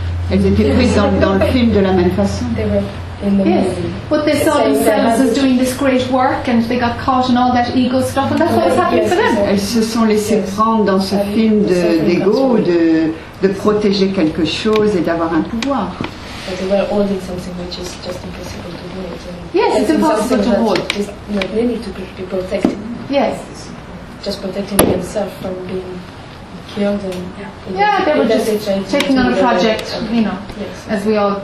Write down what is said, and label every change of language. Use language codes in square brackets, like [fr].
[fr] Elles étaient prises dans le film de la même façon. [en] Yes, but they saw themselves as doing this great work, and they got caught in all that ego stuff, and that's what was happening for them. [fr] Elles se sont laissées prendre dans ce film d'ego, de protéger quelque chose et d'avoir un pouvoir. [en] They were holding something which is just impossible to hold. Yes, it's impossible to hold. It's not really to be protected. Yes. Just protecting themselves from being killed and. Yeah, they were just taking on a project, you know, as we all.